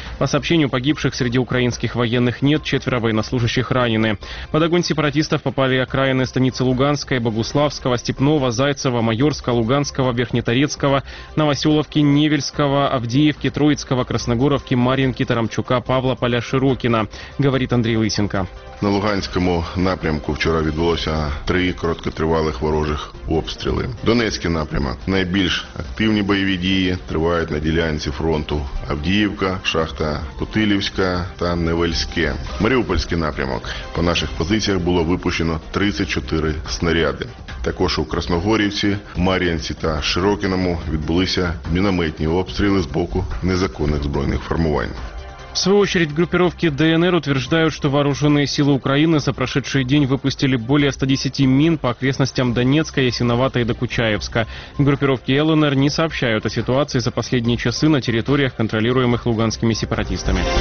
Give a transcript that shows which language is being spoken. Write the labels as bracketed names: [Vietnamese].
[Russian] По сообщению погибших среди украинских военных нет, четверо военнослужащих ранены. Под огонь сепаратистов попали окраины станицы Луганской, Богуславского, Степного, Зайцева, Майорска, Луганского, Верхнеторецкого, Новоселовки, Невельского, Авдеевки, Троицкого, Красногоровки, Мар'їнки, Тарамчука, Павлополя, Широкіна, говорит Андрій Лисенко. [Ukrainian] На Луганському напрямку вчора відбулося 3 короткотривалих ворожих обстріли. Донецький напрямок. Найбільш активні бойові дії тривають на ділянці фронту Авдіївка, шахта Кутилівська та Невельське. Маріупольський напрямок. По наших позиціях було випущено 34 снаряди. Також у Красногорівці, Мар'їнці та Широкіному відбулися мінометні обстріли з боку незаконних збройних формувань. [Russian] В свою очередь, группировки ДНР утверждают, что вооруженные силы Украины за прошедший день выпустили более 110 мин по окрестностям Донецка, Ясиновато и Докучаевска. Группировки ЛНР не сообщают о ситуации за последние часы на территориях, контролируемых луганскими сепаратистами.